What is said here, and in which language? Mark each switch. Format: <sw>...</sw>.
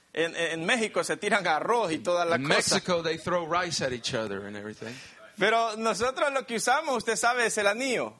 <es>En México se tiran arroz y toda la cosa.</es> <en>In Mexico they throw rice at each other and everything.</en> <es>Pero nosotros lo que usamos, usted sabe, es el anillo.</es>